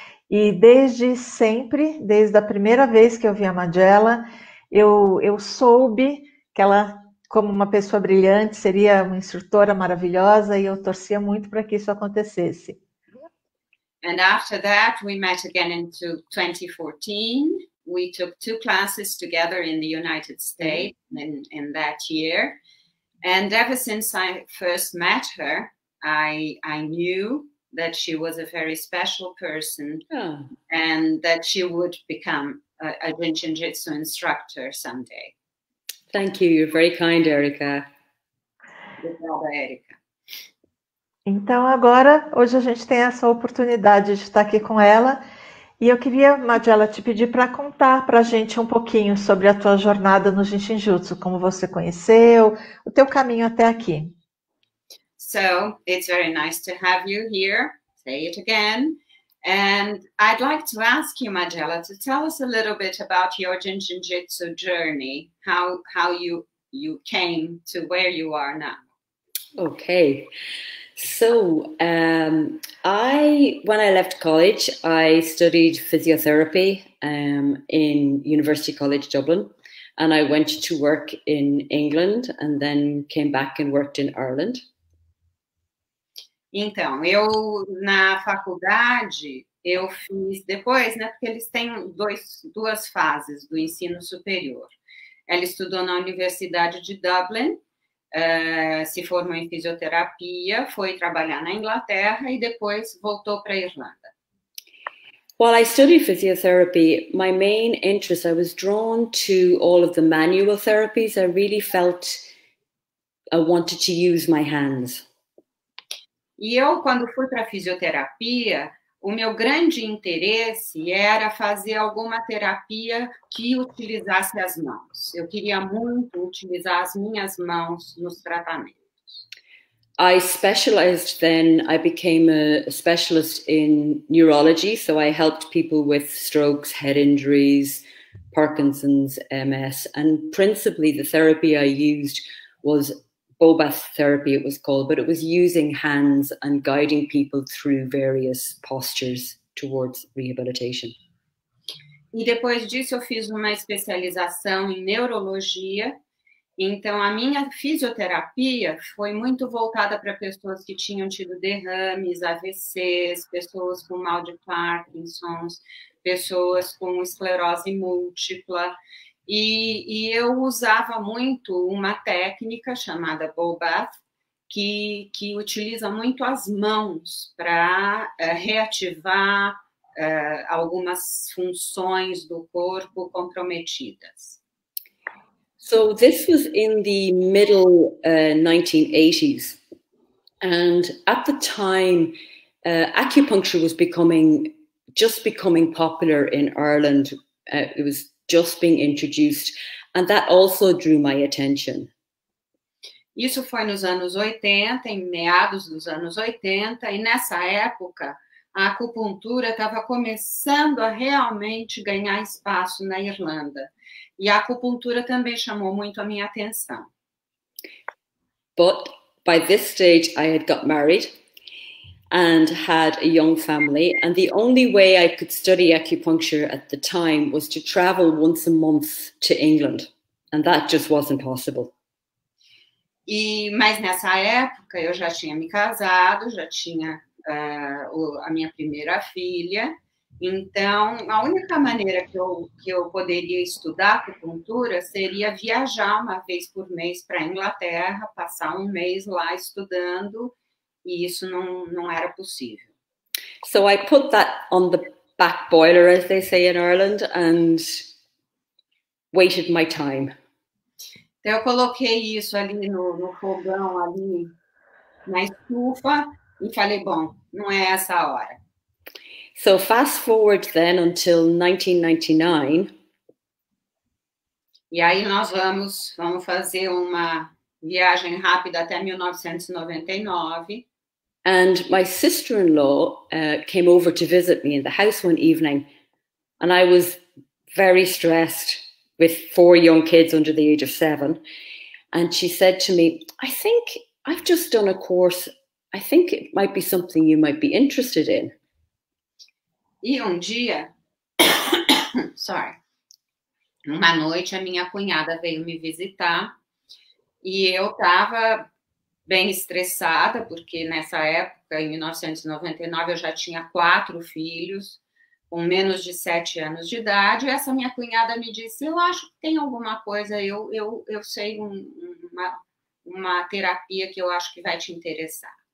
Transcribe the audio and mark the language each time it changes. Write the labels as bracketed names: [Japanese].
[Portuguese] E desde sempre, desde a primeira vez que eu vi a Majella, eu soube que ela, como uma pessoa brilhante, seria uma instrutora maravilhosa e eu torcia muito para que isso acontecesse. [English] And after that, we met again in 2014. We took two classes together in the United States in that year. And ever since I first met her, I knew that she was a very special person and that she would become a Jin Shin Jyutsu instructor someday. Thank you, you're very kind, Erica. [Portuguese] Obrigada, Erika. Então, agora, hoje a gente tem essa oportunidade de estar aqui com ela. E eu queria, Majella, te pedir para contar para a gente um pouquinho sobre a tua jornada no Jin Shin Jyutsu, como você conheceu, o teu caminho até aqui. [English] So it's very nice to have you here, say it again. And I'd like to ask you, Majella, to tell us a little bit about your Jin Shin Jyutsu journey, how you came to where you are now. Okay. So when I left college, I studied physiotherapy in University College Dublin. And I went to work in England and then came back and worked in Ireland. [Portuguese] Então, eu na faculdade, eu fiz depois, né, porque eles têm duas fases do ensino superior. Ela estudou na Universidade de Dublin, se formou em fisioterapia, foi trabalhar na Inglaterra e depois voltou para a Irlanda. [English] While I studied physiotherapy, my main interest, I was drawn to all of the manual therapies. I really felt I wanted to use my hands. [Portuguese] E eu, quando fui para a fisioterapia, o meu grande interesse era fazer alguma terapia que utilizasse as mãos. Eu queria muito utilizar as minhas mãos nos tratamentos. [English] I specialized then, I became a specialist in neurology, so I helped people with strokes, head injuries, Parkinson's, MS, and principally the therapy I used was Bobath therapy, it was called, but it was using hands and guiding people through various postures towards rehabilitation. [Portuguese] E depois disso, eu fiz uma especialização em neurologia. Então, a minha fisioterapia foi muito voltada para pessoas que tinham tido derrames, AVCs, pessoas com mal de Parkinson, pessoas com esclerose múltipla. E eu usava muito uma técnica chamada Bobath, que utiliza muito as mãos para reativar algumas funções do corpo comprometidas. [English] So this was in the middle 1980s, and at the time acupuncture was becoming popular in Ireland. It was just being introduced, and that also drew my attention. [Portuguese] Isso foi nos anos 80, em meados dos anos 80, e nessa época a acupuntura estava começando a realmente ganhar espaço na Irlanda. E a acupuntura também chamou muito a minha atenção. [English] But by this stage I had got married, and had a young family. And the only way I could study acupuncture at the time was to travel once a month to England. And that just wasn't possible. [Portuguese] E, mas nessa época eu já tinha me casado, já tinha a minha primeira filha. Então, a única maneira que eu poderia estudar acupuntura seria viajar uma vez por mês para a Inglaterra, passar um mês lá estudando, e isso não era possível. [English] So I put that on the back boiler, as they say in Ireland, and waited my time. [Portuguese] Então, eu coloquei isso ali no fogão, ali na estufa, e falei, bom, não é essa a hora. [English] So fast forward then until 1999. [Portuguese] E aí nós vamos fazer uma viagem rápida até 1999. [English] And my sister-in-law came over to visit me in the house one evening, and I was very stressed with four young kids under the age of seven. And she said to me, I think I've just done a course. I think it might be something you might be interested in. [Portuguese] E dia, sorry, uma noite a minha cunhada veio me visitar e eu estava bem estressada, porque nessa época, em 1999, eu já tinha quatro filhos com menos de 7 anos de idade. E essa minha cunhada me disse, eu acho que tem alguma coisa, eu sei uma terapia que eu acho que vai te interessar.